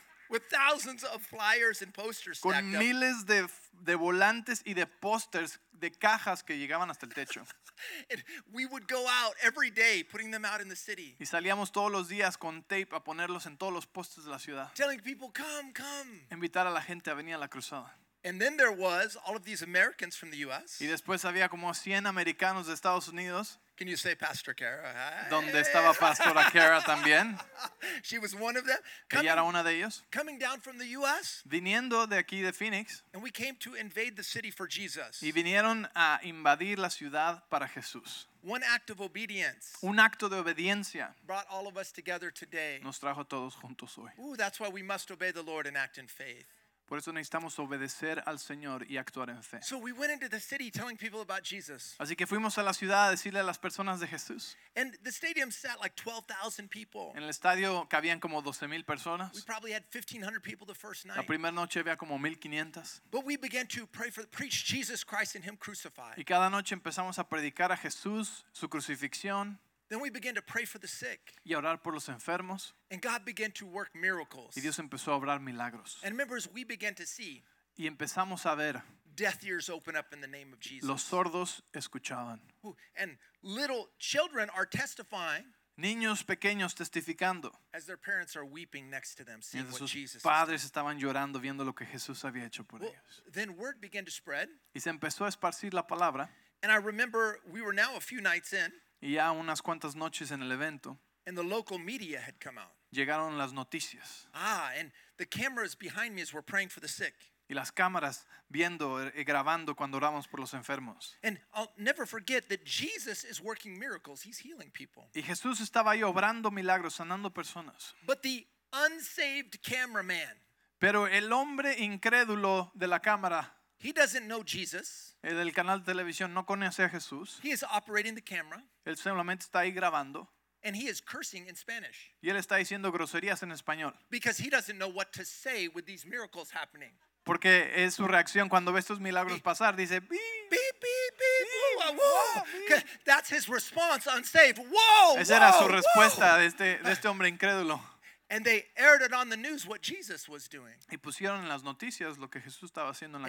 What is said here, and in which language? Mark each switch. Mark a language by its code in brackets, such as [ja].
[en] With thousands of flyers and posters stacked up. [es] Con miles de volantes y de posters de cajas que llegaban hasta el techo. [en] We would go out every day putting them out in the city. [es] Y salíamos todos los días con tape a ponerlos en todos los postes de la ciudad. [en] Telling people, come, come. [es] Invitar a la gente a venir a la cruzada. [en] And then there was all of these Americans from the U.S. [es] Y después había como 100 americanos de Estados Unidos. [en] Can you say Pastor Kara? [es] Donde estaba Pastora Kara también. [en] She was one of them. Coming, [es] ella era una de ellos. [en] Coming down from the U.S. [es] Viniendo de aquí de Phoenix. [en] And we came to invade the city for Jesus. [es] Y vinieron a invadir la ciudad para Jesús. [en] One act of obedience. [es] Un acto de obediencia. [en] Brought all of us together today. [es] Nos trajo todos juntos hoy. [en] Ooh, that's why we must obey the Lord and act in faith. [es] Por eso necesitamos obedecer al Señor y actuar en fe. [en] So we went into the city telling people about Jesus. [es] Así que fuimos a la ciudad a decirle a las personas de Jesús. [en] And the stadium sat like 12,000 people. [es] En el estadio cabían como 12,000 personas. [en] We probably had 1,500 people the first night. [es] La primera noche había como 1,500. [en] But we began to pray for preach Jesus Christ and Him crucified. [es] Y cada noche empezamos a predicar a Jesús, su crucifixión. [en] Then we began to pray for the sick. [es] Y orar por los enfermos. [en] And God began to work miracles. [es] Y Dios empezó a obrar milagros. [en] And remember, as we began to see, [es] y empezamos a ver, [en] deaf ears open up in the name of Jesus. [es] Los sordos escuchaban. [en] And little children are testifying. [es] Niños pequeños testificando. [en] As their parents are weeping next to them, seeing what Jesus did. [es] Padres estaban llorando viendo lo que Jesús había hecho por ellos. [en] Then word began to spread. [es] Y se empezó a esparcir la palabra. [en] And I remember we were now a few nights in. [es] Y ya unas cuantas noches en el evento. [en] And the local media had come out. [es] Llegaron las noticias. [en] Ah, and the cameras behind me as we're praying for the sick. [es] Y las cámaras viendo y grabando cuando oramos por los enfermos. [en] And I'll never forget that Jesus is working miracles. He's healing people. [es] Y Jesús estaba ahí obrando milagros, sanando personas. [en] But the unsaved cameraman. [es] Pero el hombre incrédulo de la cámara. [en] He doesn't know Jesus. [es] El del canal de televisión no conoce a Jesús. [en] He is operating the camera. [es] Él solamente está ahí grabando. [en] And he is cursing in Spanish. [es] Y él está diciendo groserías en español. [en] Because he doesn't know what to say with these miracles happening. [es] Porque es su reacción cuando ve estos milagros pasar, dice, beep, [en] beep, beep, beep, beep, whoa, whoa. Beep. That's his response, unsaved. Whoa, [es] esa whoa, era su respuesta de este hombre incrédulo. [en] And they aired it on the news what Jesus was doing. [es] Y pusieron en las noticias lo que Jesús estaba haciendo en la